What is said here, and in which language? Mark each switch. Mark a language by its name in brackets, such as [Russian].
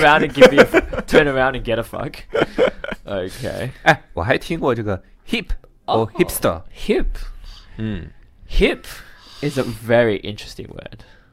[English] Around and give me a, turn around and get a fuck. Okay. [Chinese] 我还听过这个 hip or hipster. [English] Hip? Hip is a very interesting word.